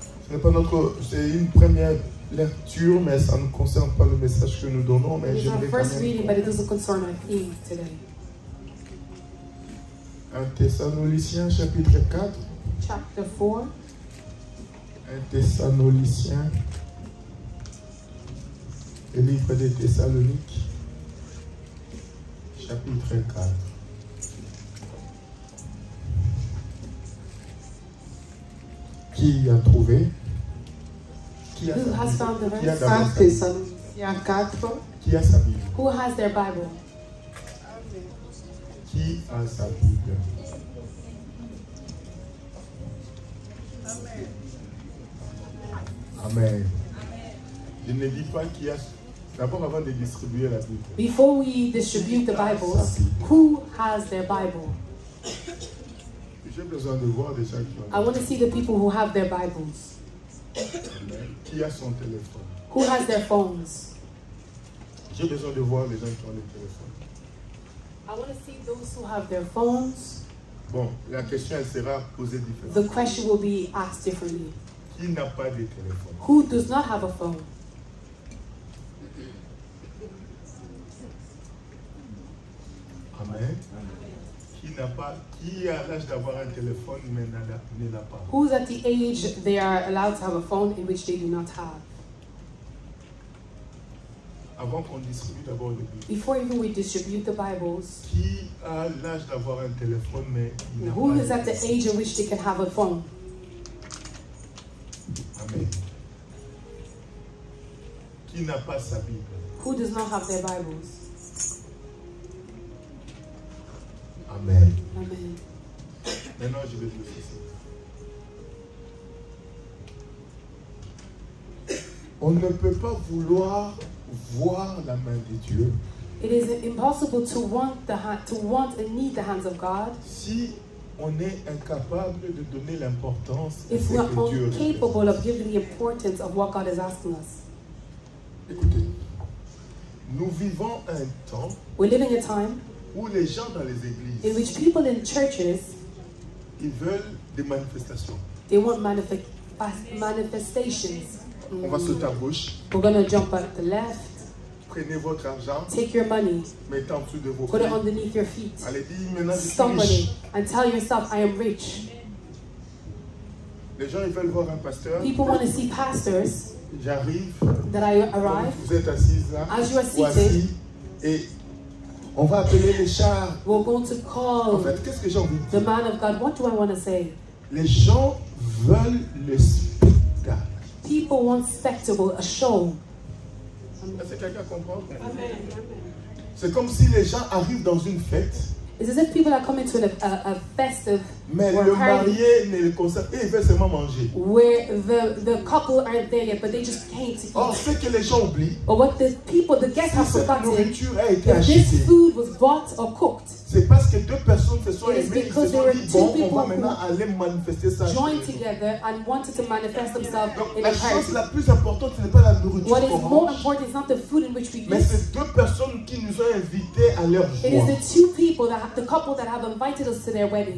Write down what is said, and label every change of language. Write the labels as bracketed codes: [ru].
[fr] C'est pas notre, c'est une première lecture, mais ça ne concerne pas le message que nous donnons. Mais [en] it's our first reading, but it doesn't concern our theme today. [fr] 1 Thessaloniciens chapitre 4. [en] Chapter 4. [fr] 1 Thessaloniciens. Le livre des Thessaloniques. Chapitre 4. Qui a trouvé? Qui a [en] Who [fr] sa [en] has [fr] Bible? [en] Found the verse? [fr] Il y a quatre. Qui a sa Bible? [en] Who has their Bible? [fr] Qui a sa Bible? Amen. Amen. Je ne dis pas qui a. D'abord, avant de distribuer la Bible. [en] Before we distribute the Bibles, who has their Bible? [fr] J'ai besoin de voir des gens qui ont. [en] I want to see the people who have their Bibles. [fr] Qui a son téléphone? [en] Who has their phones? [fr] J'ai besoin de voir les gens qui ont les téléphones. [en] I want to see those who have their phones. [fr] Bon, la question sera posée différemment. [en] The question will be asked differently. [fr] Qui n'a pas de téléphone? [en] Who does not have a phone? Amen. [fr] N'a pas, qui a l'âge d'avoir un téléphone mais n'a pas. [en] Who's at the age they are allowed to have a phone in which they do not have? [fr] Avant qu'on distribue d'abord le Bible. [en] Before even we distribute the Bibles. [fr] Qui a l'âge d'avoir un téléphone mais n'a [en] who [fr] pas. [en] Who is at the age in which they can have a phone? Amen. [fr] Qui n'a pas sa Bible? [en] Who does not have their Bibles? Amen. Amen. [fr] Maintenant, je vais vous le dire. On ne peut pas vouloir voir la main de Dieu. [en] It is impossible to want the to want and need the hands of God. [fr] Si on est incapable de donner l'importance à que Dieu demande. [en] If we are incapable of giving the importance of what God is asking us. [fr] Écoutez, nous vivons un temps. [en] We're living a time. [fr] Où les gens dans les églises, [en] in which people in churches, [fr] ils veulent des manifestations. [en] They want manifestations. [fr] On va sauter à gauche. [en] We're gonna jump at the left. [fr] Prenez votre argent. [en] Take your money. [fr] Mettez en dessous de vos pieds. [en] Put it underneath your feet. [fr] Allez, dis maintenant, [en] somebody, and tell yourself, I am rich. [fr] Les gens, ils veulent voir un pasteur. [en] People want to see pastors. [fr] J'arrive. [en] That I arrive. [fr] Vous êtes assise là. [en] As you are seated. [fr] Et on va appeler les chars. [en] We're going to call. [fr] En fait, qu'est-ce que j'ai envie de dire? [en] The man of God. What do I want to say? [fr] Les gens veulent le spectacle. [en] People want spectacle, a show. [fr] Est-ce que quelqu'un comprend? Amen. C'est comme si les gens arrivent dans une fête. [en] It's as if people are coming to a festive. [fr] Mais [en] or [fr] le marié ne le concerne pas, il veut seulement manger. [en] Where the couple aren't there yet, but they just came to eat. [fr] Or ce que les gens oublient. [en] Or what the people, the guests have forgotten. [fr] Cette nourriture a été achetée. [en] This food was bought or cooked. [fr] C'est parce que deux personnes se sont aimées, ils se sont dit bon, on va maintenant aller manifester ça. [en] Joined together and wanted to manifest themselves. [fr] Donc, [en] in [fr] la [en] a [fr] chose la plus importante, ce n'est pas la nourriture. [en] What is more important is not the food in which we eat. [fr] Mais c'est deux personnes qui nous ont invités à leur joie. [en] It is the two people that the couple that have invited us to their wedding.